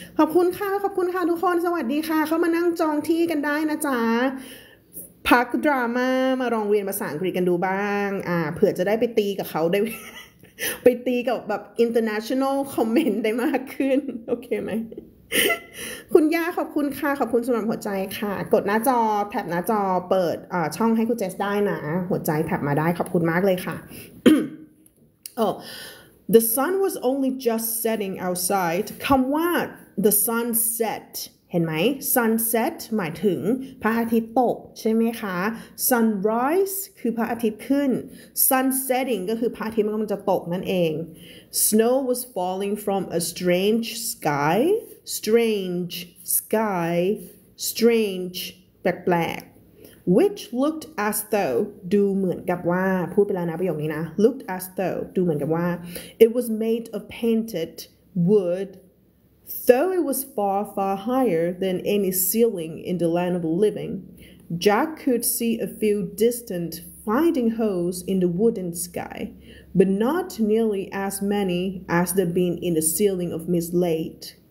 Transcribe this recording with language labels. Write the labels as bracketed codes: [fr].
[th] ขอบคุณค่ะทุกคนสวัสดีค่ะเข้ามานั่งจองที่กันได้นะจ๊ะพักดราม่ามาลองเรียนภาษาอังกฤษกันดูบ้างเผื่อจะได้ไปตีกับเขาได้ไปตีกับแบบ international comment ได้มากขึ้นโอเคไหมคุณย่าขอบคุณค่ะขอบคุณสำหรับหัวใจค่ะกดหน้าจอแท็บหน้าจอเปิดช่องให้คุณเจสได้นะหัวใจแท็บมาได้ขอบคุณมากเลยค่ะ [en] oh the sun was only just setting outside คำว่า the sun set [th] เห็นไหม sunset หมายถึงพระอาทิตย์ตกใช่ไหมคะ sunrise คือพระอาทิตย์ขึ้น sunsetting ก็คือพระอาทิตย์มันกำลังจะตกนั่นเอง [en] snow was falling from a strange sky strange sky strange [th] แปลก [en] which looked as though [th] ดูเหมือนกับว่าพูดไปแล้วนะประโยคนี้นะ [en] looked as though [th] ดูเหมือนกับว่า [en] it was made of painted woodso it was far far higher than any ceiling in the land of the living jack could see a few distant fighting holes in the wooden sky but not nearly as many as there been in the ceiling of miss late